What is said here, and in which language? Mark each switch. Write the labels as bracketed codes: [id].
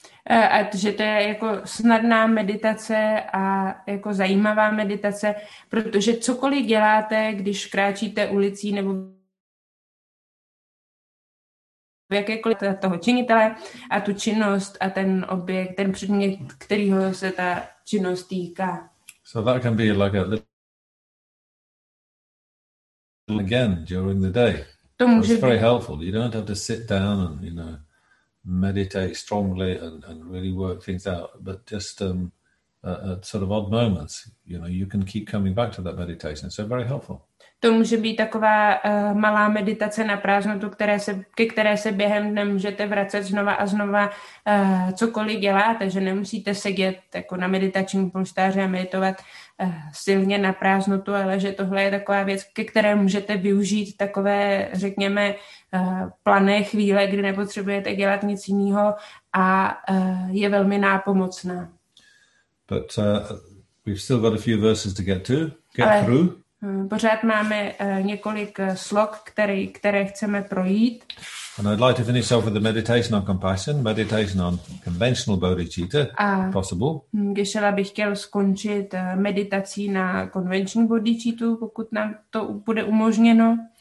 [cs] A že to je jako snadná meditace a jako zajímavá meditace, protože cokoliv děláte, když kráčíte ulicí nebo v jakékoliv toho činitele a tu činnost a ten objekt, ten předmět, kterýho se ta činnost týká. [en] So that can be like a little again during the day. [cs] To může [en] very helpful. You don't have to sit down and, you know, meditate strongly and really work things out, but just at sort of odd moments, you know, you can keep coming back to that meditation. So very helpful. [cs] To může být taková malá meditace na prázdnotu, ke které se během dne můžete vracet znova a znova, cokoliv děláte, že nemusíte sedět jako na meditačním polštáři a meditovat silně na prázdnotu, ale že tohle je taková věc, ke které můžete využít takové, řekněme, plané chvíle, kdy nepotřebujete dělat nic jiného a je velmi nápomocná. [en] But we've still got a few verses to get through. [cs] Pořád máme několik slok, které chceme projít. [en] And I'd like to finish off with the meditation on compassion, meditation on conventional bodhicitta, if possible. [cs] Gešela bych chtěl skončit meditací na konvenční bodhicittu, pokud nám to bude umožněno.